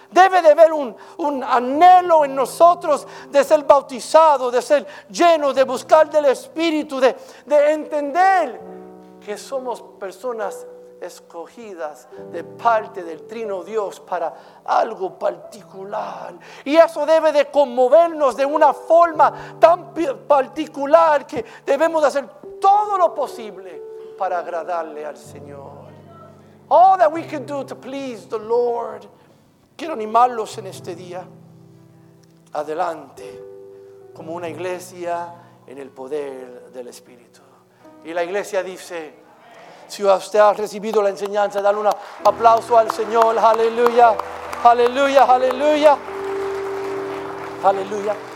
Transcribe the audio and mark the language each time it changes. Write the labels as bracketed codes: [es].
[es] Debe de haber un anhelo en nosotros de ser bautizado, de ser lleno, de buscar del Espíritu, de entender que somos personas escogidas de parte del Trino Dios para algo particular. Y eso debe de conmovernos de una forma tan particular que debemos hacer todo lo posible para agradarle al Señor. [en] All that we can do to please the Lord. [es] Quiero animarlos en este día. Adelante. Como una iglesia en el poder del Espíritu. Y la iglesia dice: si usted ha recibido la enseñanza, dale un aplauso al Señor. Aleluya. Aleluya. Aleluya. Aleluya.